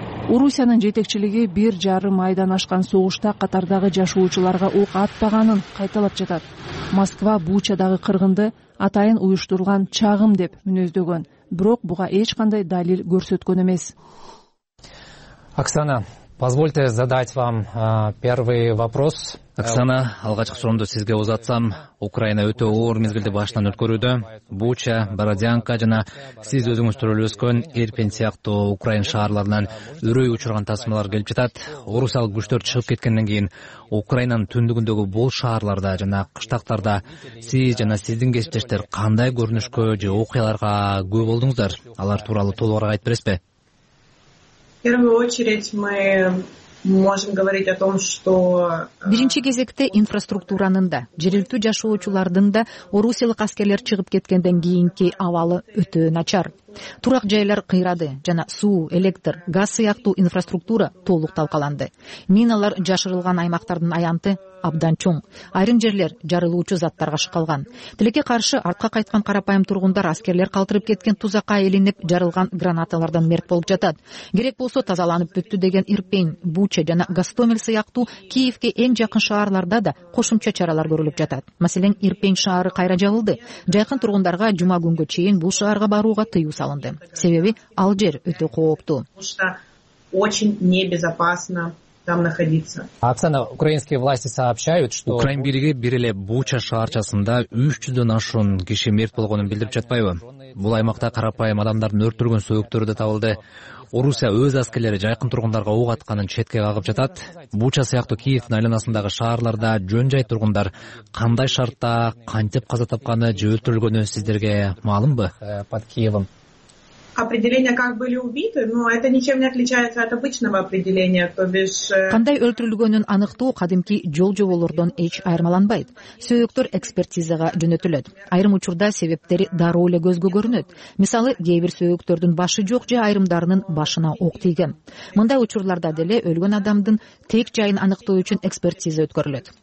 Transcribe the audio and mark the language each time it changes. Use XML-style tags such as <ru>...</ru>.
<ky>Орусиянын жетекчилиги 1,5 айдан ашкан согушта Катардагы жашоочуларга ок атпаганын кайталап жатат. Москва Бучадагы кыргынды атайын уюштурулган чагым деп мүнөздөгөн, бирок буга эч кандай далил көрсөткөн эмес.</ky> <ru>Оксана, позвольте задать вам первый вопрос.</ru> <ky>Оксана, алгачкы суроомду сизге узатсам, Украина өтө оор мезгилди башынан өткөрүүдө. Буча, Бородянка жана сиз өзүңүз төрөлүп өскөн Ирпен сыяктуу Украин шаарларынан үрөй учурган тасмалар келип жатат. Орусиялык күчтөр чыгып кеткенден кийин Украинанын түндүгүндөгү бул шаарларда жана кыштактарда сиз жана сиздин кесиптештер кандай көрүнүшкө же окуяларга күбө болдуңуздар? Алар тууралуу толугураак айтып бересизби?</ky> <ru>В первую очередь мы можем говорить о том, что</ru> <ky>биринчи кезекте инфраструктуранын да, жергиликтүү жашоочулардын да орусиялык аскерлер чыгып кеткенден кийинки абалы өтө начар. Турак жайлар кыйрады жана суу, электр, газ сыяктуу инфраструктура толук талкаланды. Миналар жашырылган аймактардын аянты абдан чоң. Айрым жерлер жарылуучу заттарга шыкалган. Тилекке каршы артка кайткан карапайым тургундар аскерлер калтырып кеткен тузакка илинип жарылган гранаталардан мерт болуп жатат. Керек болсо тазаланып бүттү деген Ирпен, Буча жана Гостомель сыяктуу Киевке эң жакын шаарларда да кошумча чаралар көрүлүп жатат. Маселен, Ирпен шаары кайра жабылды. Жакын тургундарга жума күнгө чейин бул шаарга барууга тыюу салынды. Себеби ал жер өтө кооптуу.</ky> <ru>Очень небезопасно. Оксана, украинские власти сообщают, что</ru> <ky>Украин бийлиги бир эле Буча шаарчасында 300дөн ашуун киши мерт болгонун билдирип жатпайбы? Бул аймакта карапайым адамдардын өрттүргөн сөөктөрү да табылды. Орусия өз аскерлери жакын тургундарга ок атканын четке кагып жатат. Буча сыяктуу Киевдин айланасындагы шаарларда жөн жай тургундар кандай шартта, кантип каза тапканы же өлтүрүлгөнү сиздерге маалымбы?</ky> <ru>Под Киевом. Определение, как были убиты, но это ничем не отличается от обычного определения, то бишь</ru> <ky>кандай өлтүрүлгөнүн аныктоо кадимки жол-жоболордон эч айырмаланбайт. Сөөктөр экспертизага жөнөтүлөт. Айрым учурда себептери дароо эле көзгө көрүнөт. Мисалы, кээ бир сөөктөрдүн башы жок же айрымдарынын башына ок тийген. Мындай учурларда деле өлгөн адамдын тек жайын аныктоо үчүн экспертиза өткөрүлөт.</ky>